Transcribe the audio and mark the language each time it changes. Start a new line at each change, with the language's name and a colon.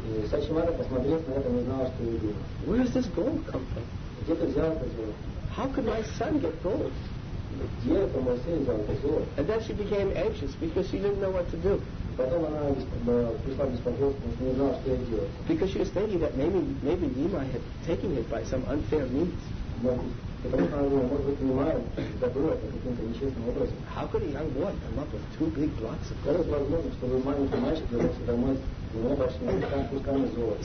Russian: Сачимата посмотрела на это, не знала, что ей делать.
English: Where does this gold come from?
Russian: Где ты взял это золото?
English: How could my son get gold?
Russian: Где это мой сын взял это золото?
English: And then she became anxious because she didn't know what to do.
Russian: Потом она пришла в беспокойство, потому что не знала, что ей делать.
English: Because she was thinking that maybe Nima had taken it by some unfair means. How could a young boy come up with two big blocks of gold?